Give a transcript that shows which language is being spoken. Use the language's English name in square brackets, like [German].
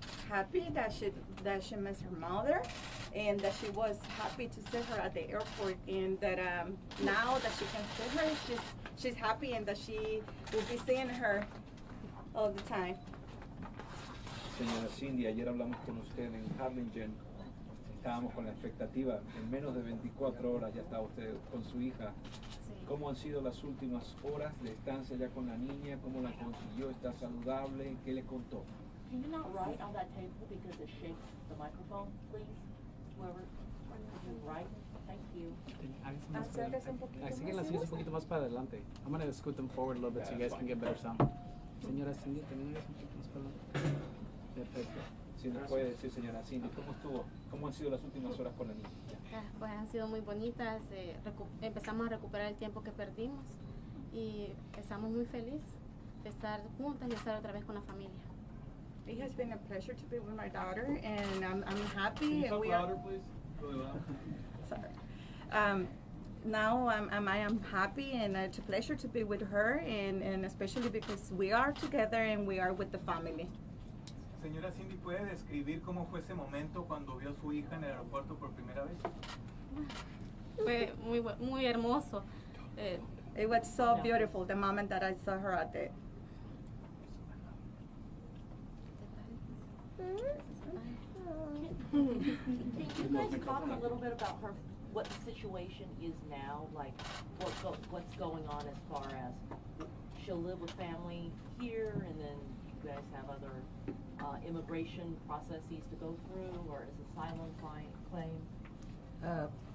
[English] Happy that she missed her mother, and that she was happy to see her at the airport, and that now that she can see her, she's happy, and that she will be seeing her all the time. [Spanish] Señora Cindy, ayer hablamos con usted en Harlingen. Estábamos con la expectativa. En menos de 24 horas ya está usted con su hija. Sí. ¿Cómo han sido las últimas horas de estancia ya con la niña? ¿Cómo la consiguió? ¿Está saludable? ¿Qué le contó? [English] Can you not write on that table because it shakes the microphone, please? Whoever can write. Thank you. I think let's use a [Spanish] poquito más para adelante. [English] I'm going to scoot them forward a little bit so you guys can get better sound. [Spanish] Señora Cindy, ¿tenés un poquito más para adelante? Perfecto. Si nos puede decir, señora Cindy, ¿cómo estuvo? ¿Cómo han sido las últimas horas con la niña? Pues han sido muy bonitas. Empezamos a recuperar el tiempo que perdimos y estamos muy felices de estar juntas y estar otra vez con la familia. [English] It has been a pleasure to be with my daughter, and I'm happy. Can you talk and we louder, are, please? Really loud. Sorry. Now I am happy, and it's a pleasure to be with her, and especially because we are together and we are with the family. [Spanish] Señora Cindy, ¿puede describir cómo fue ese momento cuando vio a su hija en el aeropuerto por primera vez? Fue muy hermoso. [English] It was so beautiful, the moment that I saw her at the. Can you guys talk a little bit about her, what the situation is now, like what's going on as far as she'll live with family here and then you guys have other immigration processes to go through or is asylum claim?